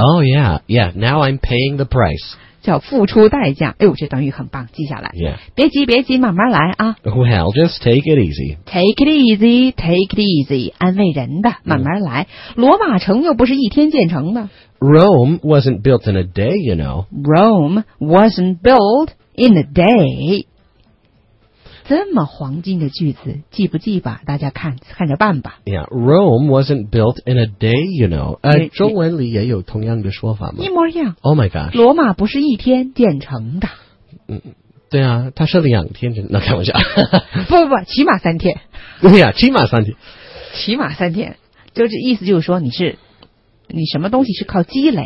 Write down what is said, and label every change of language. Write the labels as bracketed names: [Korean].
[English] Oh yeah, yeah, now I'm paying the price. [Chinese] 叫付出代价，哎呦，这短语很棒，记下来。 [English] Yeah. [Chinese] 别急，别急，慢慢来啊。 [English] Well, just take it easy. Take it easy, take it easy. [Chinese] 安慰人的，慢慢来。罗马城又不是一天建成的。 [English] Rome wasn't built in a day, you know. Rome wasn't built in a day. [Chinese] 这么黄金的句子，记不记吧？大家看着办吧。 [English] Yeah, Rome wasn't built in a day, you know. [Chinese] 中文里也有同样的说法吗？一模一样。 [English] Oh my gosh. [Chinese] 罗马不是一天建成的。嗯，对啊，它是两天建。那开玩笑。不，起码三天。对呀，起码三天。起码三天，就这意思就是说你什么东西是靠积累。